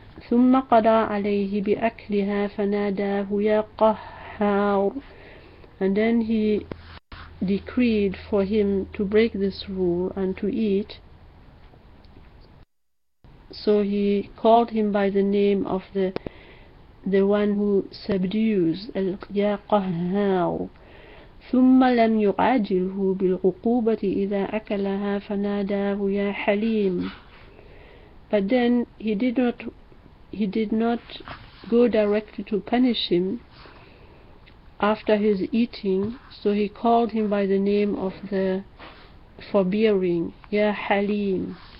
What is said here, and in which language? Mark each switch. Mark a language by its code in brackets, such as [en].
[ar] ثم قضى عليه بأكلها فناداه يا قهار. [en] And then he decreed for him to break this rule and to eat. So he called him by the name of the one who subdues, Al-Qahhar. [ar] ثم لم يعاجله بالعقوبة إذا أكلها فناداه يا حليم. [en] But then he did not go directly to punish him after his eating, so he called him by the name of the forbearing, [ar] يا حليم.